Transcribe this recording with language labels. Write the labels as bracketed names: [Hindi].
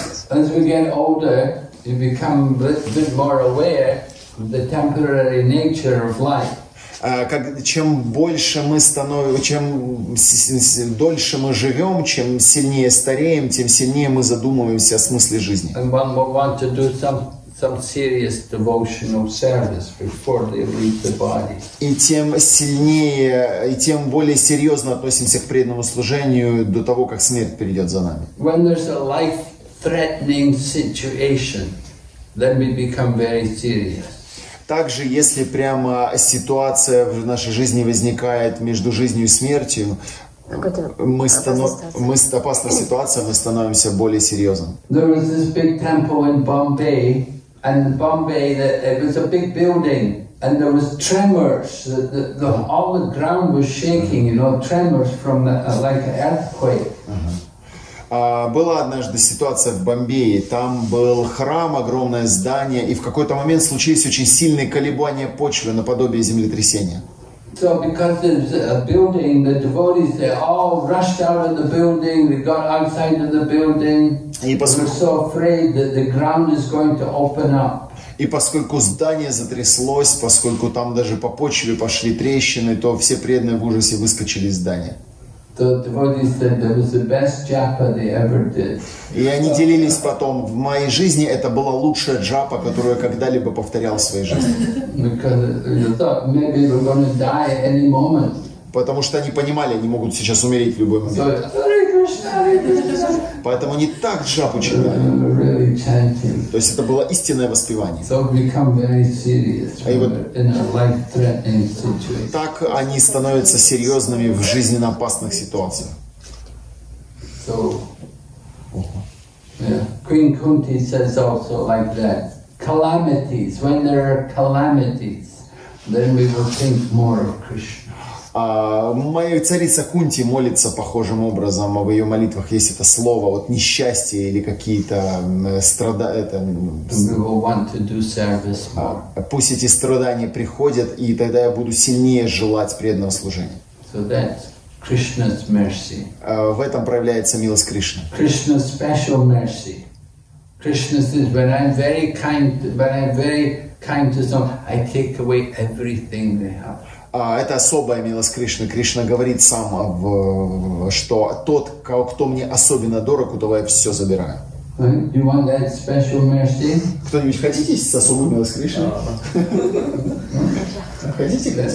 [English] As we get older, we become a bit more aware of the temporary nature of life. [Russian] Чем дольше мы живем, чем сильнее стареем, тем сильнее мы задумываемся о смысле жизни. [English] And one will want to do some serious devotional service before they leave the body. [Russian] И тем более серьезно относимся к преданному служению до того, как смерть придет за нами. [English] When there's a life-threatening situation, then we become very serious. [Russian] Также, если прямо ситуация в нашей жизни возникает между жизнью и смертью, опасная ситуация, мы становимся более серьезным. [English] There was this big temple in Bombay, and in Bombay it was a big building, and there was tremors, all the ground was shaking, you know, tremors from like an earthquake. [Russian] Была однажды ситуация в Бомбее. Там был храм, огромное здание, и в какой-то момент случились очень сильные колебания почвы, наподобие землетрясения. [English] So because it's a building, the devotees, they all rushed out of the building, they got outside of the building, they were so afraid that the ground is going to open up. [Russian] И поскольку здание затряслось, поскольку там даже по почве пошли трещины, то все преданные в ужасе выскочили из здания. [English] The devotees said that was the best japa they ever did. [Russian] И они делились потом: в моей жизни это была лучшая джапа, которую я когда-либо повторял в своей жизни. [English] Because they thought maybe we're going to die at any moment. [Russian] Потому что они понимали, они могут сейчас умереть в любой момент. [English] So, Hare Krishna, Hare Krishna. [Russian] Поэтому они так джапу читали. [English] Really, [Russian] то есть это было истинное воспевание. [English] So become very serious in a life-threatening situation. [Russian] Так они становятся серьезными в жизненно опасных ситуациях. [English] So, yeah. Queen Kunti says also like that. Calamities, when there are calamities, then we will think more of Krishna. [Russian] Моя царица Кунти молится похожим образом в ее молитвах. Есть это слово, вот несчастье или какие-то страдания. Пусть эти страдания приходят, и тогда я буду сильнее желать преданного служения. [English] So that's Krishna's mercy. [Russian] В этом проявляется милость Кришны. [English] Krishna's special mercy. Krishna's is when I'm very kind to someone, I take away everything they have. [Russian] Это особая милость Кришны. Кришна говорит сам, что тот, кто мне особенно дорог, у того я все забираю. [English] You want that special mercy? [Russian] Кто-нибудь хотите с особой милостью Кришны? Хотите?